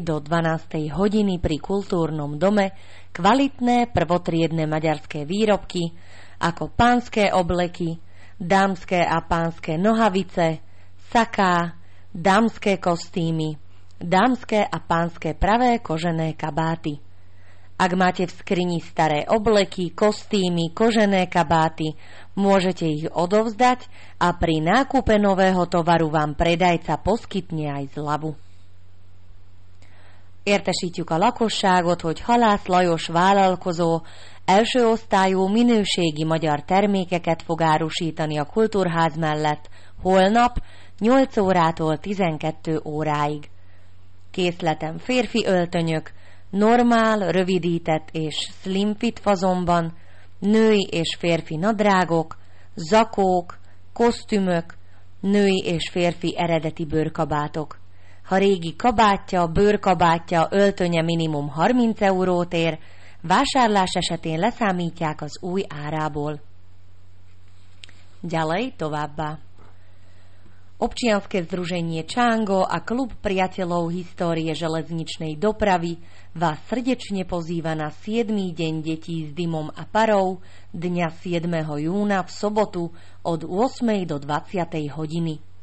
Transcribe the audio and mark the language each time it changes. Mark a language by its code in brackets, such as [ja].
[sk] do 12. hodiny pri kultúrnom dome kvalitné prvotriedne maďarské výrobky ako pánske obleky, dámske a pánske nohavice, saká, dámske kostýmy, dámske a pánske pravé kožené kabáty. Ak máte v skrini staré obleky, kostýmy, kožené kabáty, môžete ich odovzdať a pri nákupe nového tovaru vám predajca poskytne aj zľavu. [hu] Értesítjük a lakosságot, hogy Halász Lajos vállalkozó első osztályú minőségi magyar termékeket fog árusítani a kultúrház mellett holnap 8 órától 12 óráig. Készleten férfi öltönyök, normál, rövidített és slim fit fazonban, női és férfi nadrágok, zakók, kosztümök, női és férfi eredeti bőrkabátok. Ha régi kabátja, bőrkabátja, öltönye minimum 30 eurót ér, vásárlás esetén leszámítják az új árából. [sk] Ďalej [hu] továbbá. [sk] Občianske združenie Čango a klub priateľov histórie železničnej dopravy vás srdečne pozýva na 7. deň detí s dymom a parou dňa 7. júna v sobotu od 8. do 20. hodiny.